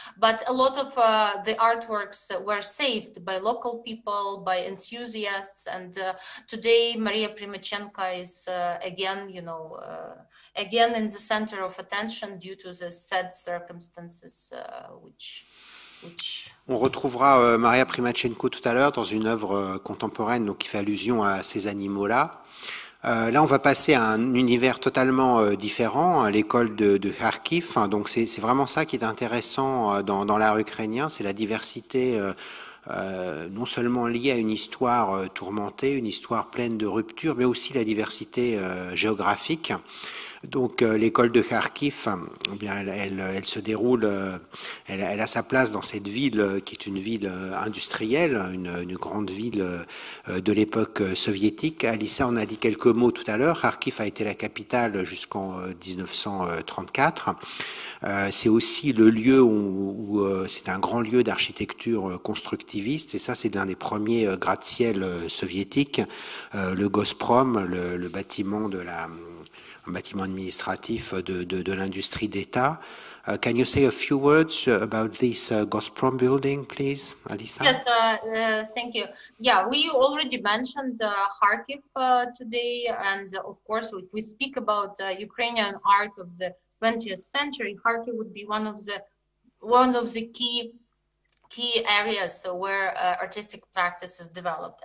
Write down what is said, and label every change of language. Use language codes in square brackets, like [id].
[en] But a lot of the artworks were saved by local people, by enthusiasts, and today Maria Primachenka is again, you know, again in the center of attention due to the sad circumstances which [fr] on retrouvera Maria Primachenko tout à l'heure dans une œuvre contemporaine, donc qui fait allusion à ces animaux-là. Là, on va passer à un univers totalement différent, l'école de Kharkiv. Donc, c'est vraiment ça qui est intéressant dans l'art ukrainien, c'est la diversité, non seulement liée à une histoire tourmentée, une histoire pleine de ruptures, mais aussi la diversité géographique. Donc, l'école de Kharkiv, elle se déroule, elle a sa place dans cette ville qui est une ville industrielle, une grande ville de l'époque soviétique. Alissa en a dit quelques mots tout à l'heure. Kharkiv a été la capitale jusqu'en 1934. C'est aussi le lieu où c'est un grand lieu d'architecture constructiviste, et ça, c'est l'un des premiers gratte-ciel soviétiques, le Gosprom, le bâtiment de la. Un bâtiment administratif de l'industrie d'État. [en] Can you say a few words about this Gosprom building, please, Alisa? Yes, thank you. Yeah, we already mentioned Kharkiv today, and of course, if we speak about Ukrainian art of the 20th century, Kharkiv would be one of the key areas where artistic practice is developed.